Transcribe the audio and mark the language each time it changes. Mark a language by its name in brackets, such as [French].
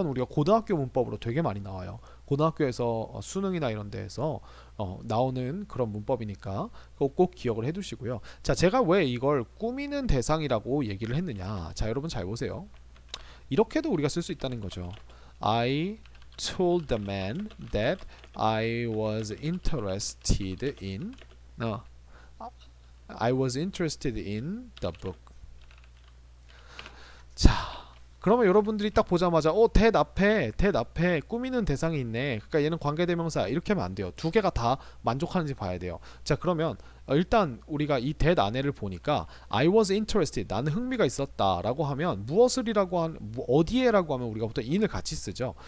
[Korean] 이건 우리가 고등학교 문법으로 되게 많이 나와요. 고등학교에서 수능이나 이런 데에서 나오는 그런 문법이니까 그거 꼭 기억을 해두시고요. 자, 제가 왜 이걸 꾸미는 대상이라고 얘기를 했느냐. 자, 여러분 잘 보세요. 이렇게도 우리가 쓸수 있다는 거죠. [English] I told the man that I was interested in, I was interested in the book. [Korean] 자, 그러면 여러분들이 딱 보자마자 that 앞에 꾸미는 대상이 있네. 그러니까 얘는 관계대명사. 이렇게 하면 안 돼요. 두 개가 다 만족하는지 봐야 돼요. 자, 그러면 일단 우리가 이 that 안에를 보니까 I was interested. 나는 흥미가 있었다라고 하면 무엇을이라고 어디에라고 하면 우리가 보통 in을 같이 쓰죠.